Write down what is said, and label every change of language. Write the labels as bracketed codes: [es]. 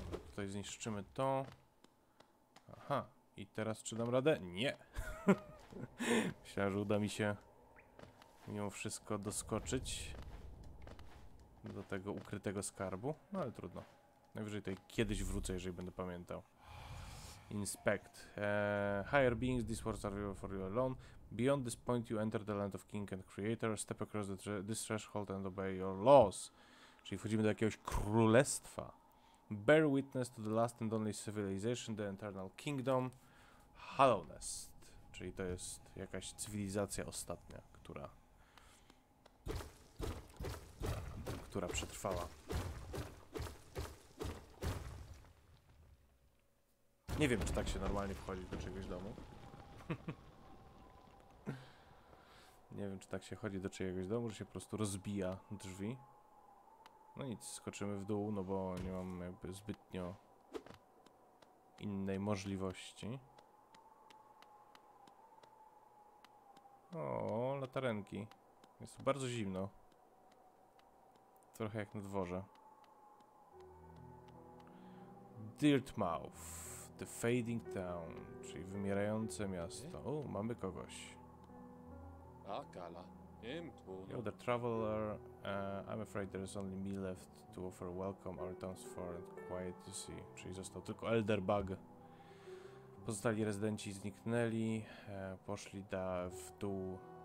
[pl] Tutaj zniszczymy to. Aha, i teraz czy dam radę? Nie! Myślałem, że uda mi się mimo wszystko doskoczyć do tego ukrytego skarbu. No ale trudno. Najwyżej tutaj kiedyś wrócę, jeżeli będę pamiętał. [en] Inspect. Higher beings, these words are for you alone. Beyond this point you enter the land of King and Creator. Step across this threshold and obey your laws. [pl] Czyli wchodzimy do jakiegoś królestwa. [en] Bear witness to the last and only civilization, the eternal kingdom, Hallownest. [pl] Czyli to jest jakaś cywilizacja ostatnia, która przetrwała. Nie wiem, czy tak się normalnie wchodzi do czyjegoś domu. Nie wiem, czy tak się chodzi do czyjegoś domu, że się po prostu rozbija drzwi. No nic, skoczymy w dół, no bo nie mam jakby zbytnio innej możliwości. O, latarenki. Jest bardzo zimno. Trochę jak na dworze. Dirtmouth, The Fading Town, czyli wymierające miasto. O, mamy kogoś. Akala. [en] You're the traveler. I'm afraid there's only me left to offer welcome our towns for quiet to see. [pl] Czyli został tylko Elderbug. Pozostali rezydenci zniknęli, poszli w dół.